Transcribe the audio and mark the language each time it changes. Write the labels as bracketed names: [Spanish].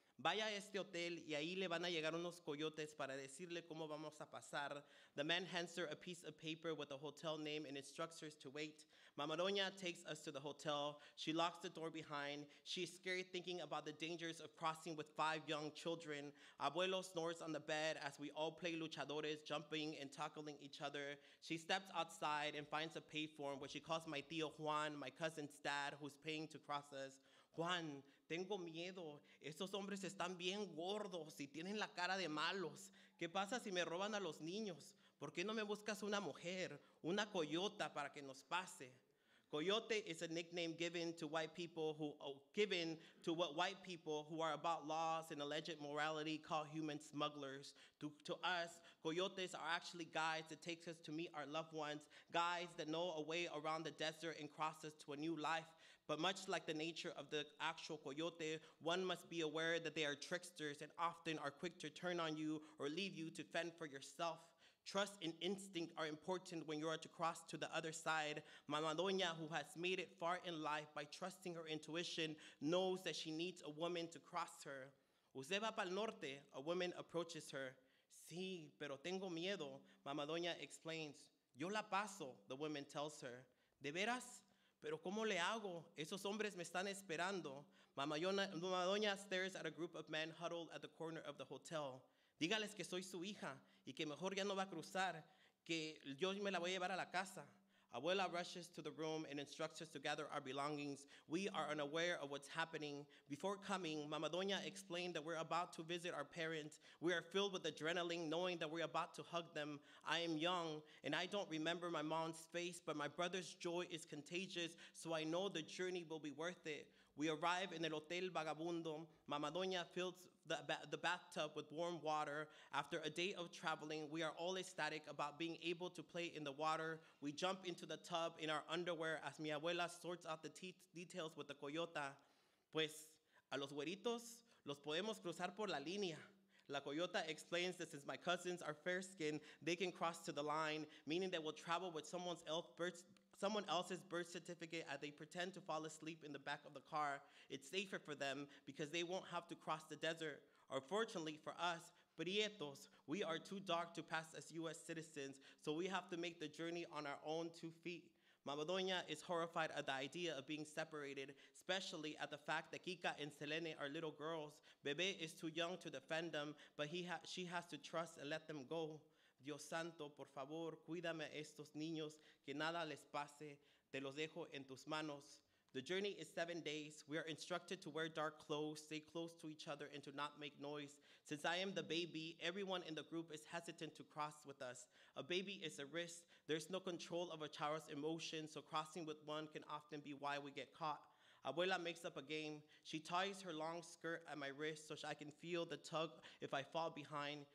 [Spanish] Vaya a este hotel y ahí le van a llegar unos coyotes para decirle cómo vamos a pasar. [English] The man hands her a piece of paper with the hotel name and instructs her to wait. Mama Doña takes us to the hotel. She locks the door behind. She is scared thinking about the dangers of crossing with 5 young children. Abuelo snores on the bed as we all play luchadores, jumping and tackling each other. She steps outside and finds a payphone where she calls my tío Juan, my cousin's dad, who's paying to cross us. [Spanish] Juan, tengo miedo. Esos hombres están bien gordos y tienen la cara de malos. ¿Qué pasa si me roban a los niños? ¿Por qué no me buscas una mujer, una coyota para que nos pase? [English] Coyote is a nickname given to white people who given to what white people who are about laws and alleged morality call human smugglers. To us, coyotes are actually guides that takes us to meet our loved ones, guides that know a way around the desert and cross us to a new life. But much like the nature of the actual coyote, one must be aware that they are tricksters and often are quick to turn on you or leave you to fend for yourself. Trust and instinct are important when you are to cross to the other side. Mama Doña, who has made it far in life by trusting her intuition, knows that she needs a woman to cross her. [Spanish] Usted va pa'l norte, [English] a woman approaches her. [Spanish] Sí, pero tengo miedo, Mama Doña [English] explains. [Spanish] Yo la paso, [English] the woman tells her. [Spanish] De veras? Pero cómo le hago? Esos hombres me están esperando. [English] Mama Doña stares at a group of men huddled at the corner of the hotel. [Spanish] Dígales que soy su hija y que mejor ya no va a cruzar, que yo me la voy a llevar a la casa. [English] Abuela rushes to the room and instructs us to gather our belongings. We are unaware of what's happening. Before coming, Mama Doña explained that we're about to visit our parents. We are filled with adrenaline knowing that we're about to hug them. I am young and I don't remember my mom's face, but my brother's joy is contagious, so I know the journey will be worth it. We arrive in the Hotel Vagabundo. Mama Doña fills the bathtub with warm water. After a day of traveling, we are all ecstatic about being able to play in the water. We jump into the tub in our underwear as mi abuela sorts out the details with the coyota. [Spanish] Pues, a los güeritos los podemos cruzar por la línea. [English] La coyota explains that since my cousins are fair-skinned, they can cross to the line, meaning they will travel with someone else's birth certificate as they pretend to fall asleep in the back of the car. It's safer for them because they won't have to cross the desert. Or fortunately for us, prietos, we are too dark to pass as U.S. citizens, so we have to make the journey on our own 2 feet. Mama Doña is horrified at the idea of being separated, especially at the fact that Kika and Selene are little girls. Bebe is too young to defend them, but she has to trust and let them go. [Spanish] Dios santo, por favor, cuídame a estos niños, que nada les pase, te los dejo en tus manos. [English] The journey is 7 days. We are instructed to wear dark clothes, stay close to each other, and to not make noise. Since I am the baby, everyone in the group is hesitant to cross with us. A baby is a risk. There's no control of a child's emotions, so crossing with one can often be why we get caught. Abuela makes up a game. She ties her long skirt at my wrist so I can feel the tug if I fall behind.